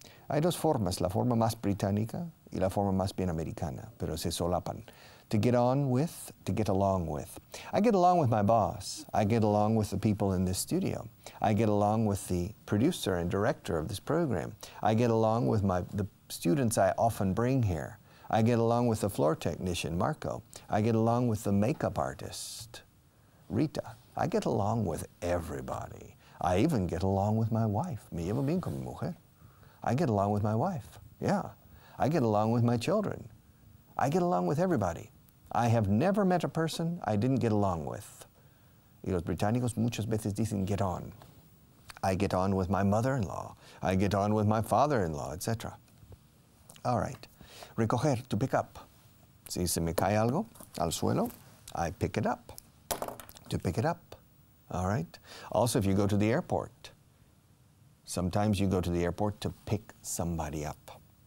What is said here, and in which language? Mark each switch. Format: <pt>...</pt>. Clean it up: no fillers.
<es>Hay dos formas, la forma más británica y la forma más bien americana, pero se solapan.</es> <en>To get on with, to get along with. I get along with my boss. I get along with the people in this studio. I get along with the producer and director of this program. I get along with the students I often bring here. I get along with the floor technician, Marco. I get along with the makeup artist, Rita. I get along with everybody. I even get along with my wife.</en> <es>Me llevo bien con mi mujer.</es> <en>I get along with my wife, yeah. I get along with my children. I get along with everybody. I have never met a person I didn't get along with.</en> <es>Y los británicos muchas veces dicen get on.</es> <en>I get on with my mother-in-law. I get on with my father-in-law, etc. All right. Recoger, to pick up.</en> <es>Si se me cae algo al suelo,</es> <en>I pick it up. To pick it up. All right. Also, if you go to the airport, sometimes you go to the airport to pick somebody up.</en>